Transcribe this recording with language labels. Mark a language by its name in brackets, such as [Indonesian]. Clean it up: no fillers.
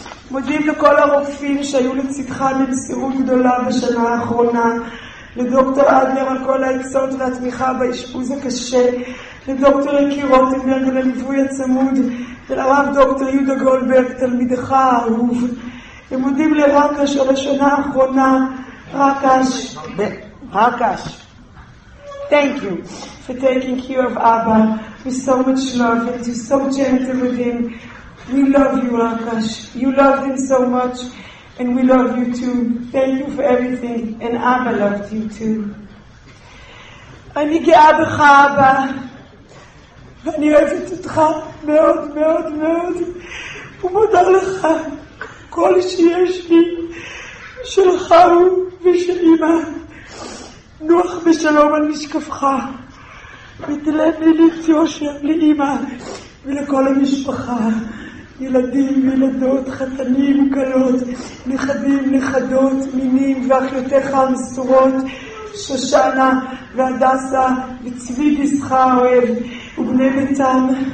[Hebrew] מודים לכל הרופאים שהיו לצדך במסירות גדולה בשנה האחרונה, לדוקטור אדנר על כל העצות והתמיכה באשפוז הקשה, לדוקטור יקי רוטנברג על הליווי הצמוד, ולרב דוקטור יהודה גולדברג תלמידך האהוב. ומודים לרקש על השנה האחרונה. רקש, רקש, [English] thank you for taking care of Abba with so much love, and you're so gentle with him. We love you, Rakash. You loved him so much, and we love you too. Thank you for everything, and Abba loved you too. [Hebrew] אני גאה בך, אבא, ואני אוהבת אותך מאוד מאוד מאוד, ומודה לך כל שיש לי, שלך הוא ושל אמא. נוח בשלום על משקפך, ותלב מילית יושב לאמא ולכל המשפחה, ילדים, ילדות, חתנים, קלות, נכדים, נכדות, מינים, ואחיותיך המסורות, שושנה והדסה, וצבי גיסך האוהב, ובני ביתם.